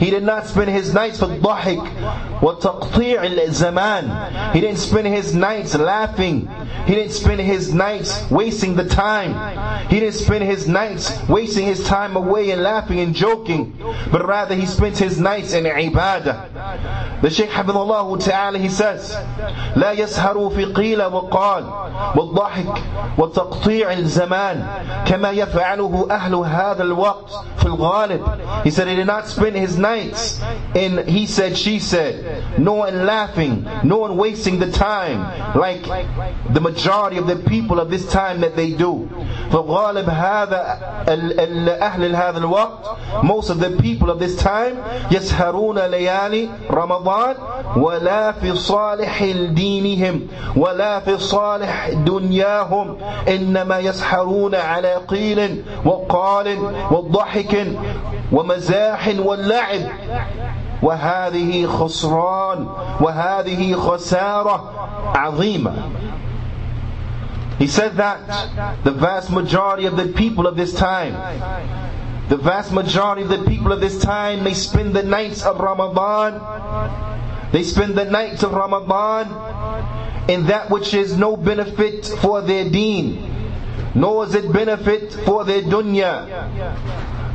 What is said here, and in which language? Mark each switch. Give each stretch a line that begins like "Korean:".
English: He did not spend his nights for
Arabic: ضحك وتقطيع الزمان.
English: He didn't spend his nights laughing. He didn't spend his nights wasting the time. He didn't spend his nights wasting his time away and laughing and joking. But rather he spent his nights in ibadah. The Shaykh Habibullah Ta'ala, he says,
Arabic: لا يسهر في قيل وقال والضحك وتقطيع الزمان كما يفعله أهل هذا الوقت في الغالب.
English: He said he did not spend his nights in he said, she said, nor in laughing, nor in wasting the time like the majority of the people of this time that they do.
Arabic: في الغالب هذا أهل هذا الوقت,
English: most of the people of this time,
Arabic: يسهرون ليالي رمضان ولا في صالح دينهم ولا في صالح دنياهم إنما يسحرون على قيل وقال والضحك ومزاح واللعب وهذه خسران وهذه خسارة عظيمة.
English: He said that the vast majority of the people of this time, the vast majority of the people of this time may spend the nights of Ramadan. They spend the nights of Ramadan in that which is no benefit for their deen, nor is it benefit for their dunya.